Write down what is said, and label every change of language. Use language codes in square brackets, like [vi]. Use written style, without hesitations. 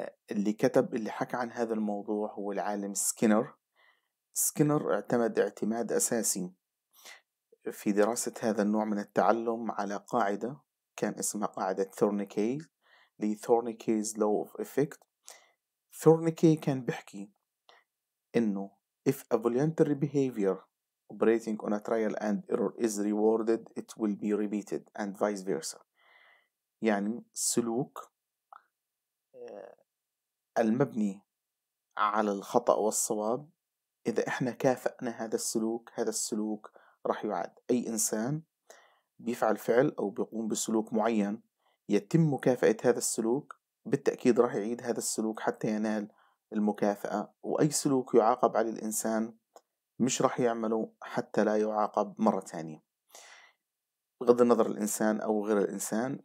[ar] اللي حكى عن هذا الموضوع هو العالم سكينر. سكينر اعتمد اعتماد أساسي في دراسة هذا النوع من التعلم على قاعدة كان اسمها قاعدة ثورنيكي، لثورنيكي's [en] law of effect. Thorndike [ar] كان بحكي إنه [en] if a voluntary behavior operating on a trial and error is rewarded, it will be repeated and vice versa. [ar] يعني سلوك المبني على الخطأ والصواب، إذا إحنا كافأنا هذا السلوك، هذا السلوك راح يعاد. أي إنسان بيفعل فعل أو بيقوم بسلوك معين يتم مكافأة هذا السلوك، بالتأكيد راح يعيد هذا السلوك حتى ينال المكافأة، وأي سلوك يعاقب على الإنسان مش راح يعمله حتى لا يعاقب مرة تانية، بغض النظر الإنسان أو غير الإنسان.